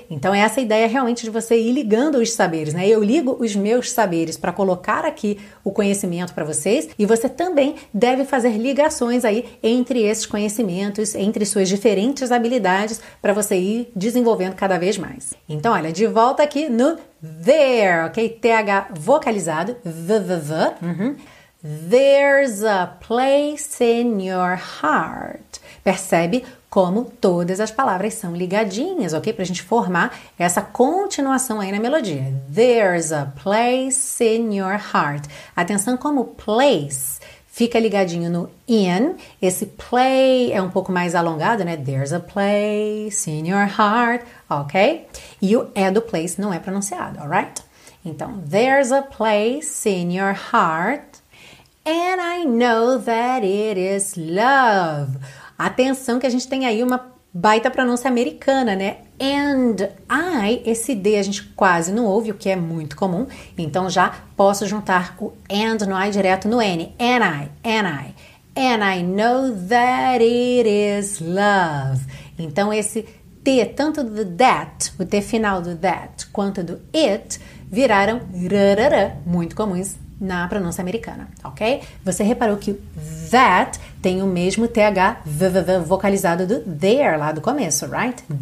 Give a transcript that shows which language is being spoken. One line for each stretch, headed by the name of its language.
Portuguese: Então essa ideia realmente de você ir ligando os saberes, né? Eu ligo os meus saberes para colocar aqui o conhecimento para vocês e você também deve fazer ligações aí entre esses conhecimentos, entre suas diferentes habilidades para você ir desenvolvendo cada vez mais. Então olha, de volta aqui no there, ok? TH vocalizado, v-v-v, uhum.
English: There's a place in your heart.
Portuguese: Percebe como todas as palavras são ligadinhas, ok? Pra gente formar essa continuação aí na melodia.
English: There's a place in your heart.
Portuguese: Atenção como place fica ligadinho no in. Esse play é um pouco mais alongado, né?
English: There's a place in your heart, ok?
Portuguese: E o é do place não é pronunciado, alright?
English: Então, there's a place in your heart. And I know that it is love.
Portuguese: Atenção que a gente tem aí uma baita pronúncia americana, né? And I, esse D a gente quase não ouve, o que é muito comum. Então já posso juntar o and no I direto no N.
English: And I, and I. And I know that it is love.
Portuguese: Então esse T, tanto do that, o T final do that, quanto do it, viraram rarara, muito comuns na pronúncia americana, ok? Você reparou que that tem o mesmo TH vocalizado do there lá do começo, right?